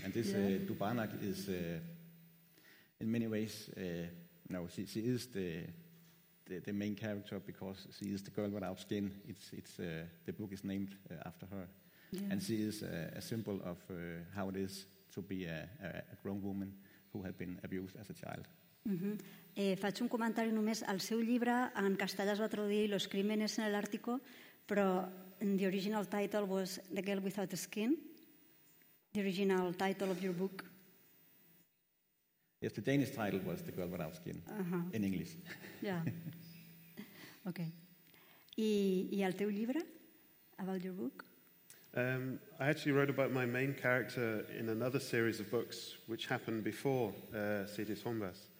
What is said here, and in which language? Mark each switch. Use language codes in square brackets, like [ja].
[en] And this Dubana is, in many ways, she is the main character, because she is the girl without skin. It's the book is named after her. Yeah. And she is a symbol of how it is to be a grown woman who had been abused as a child. Mm-hmm. [ca] Faig un comentari només. El seu llibre en castellà es va traduir Los crímenes en el Ártico, però [en] the original title was The Girl Without a Skin. The original title of your book. Yes, the Danish title was The Girl Without Skin, uh-huh. In English. Yeah. Okay. [ca] I el teu llibre? [en] About your book? I actually wrote about my main character in another series of books which happened before Sidis Hombas.